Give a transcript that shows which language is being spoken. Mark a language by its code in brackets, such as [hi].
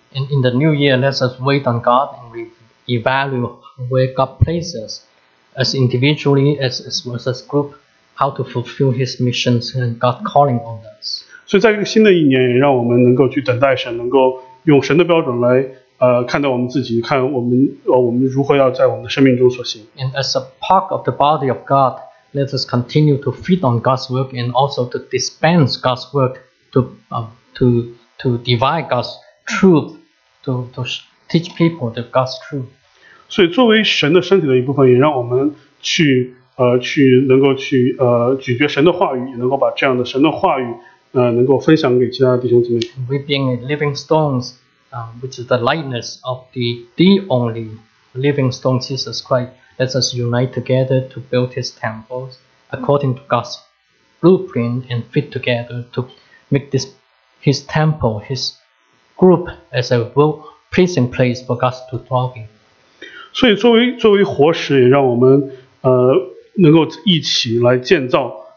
[en] In the new year, let us wait on God and we evaluate where God places us as individually, as a group, how to fulfill His missions and God calling on us. [zh] 所以在这个新的一年，也让我们能够去等待神，能够用神的标准来看待我们自己，看我们如何要在我们的生命中所行。 [en] And as a part of the body of God, let us continue to feed on God's work and also to dispense God's work to divide God's truth, to teach people the God's truth. [zh] 所以作为神的身体的一部分，也让我们去能够去咀嚼神的话语，也能够把这样的神的话语能够分享给其他的弟兄姊妹。 [en] We being living stones, which is the likeness of the only living stone Jesus Christ, let us unite together to build his temples according to God's blueprint and fit together to make this his temple, his group as a world pleasing place for God to dwell in. [zh] 所以作为活石，也让我们能够一起来建造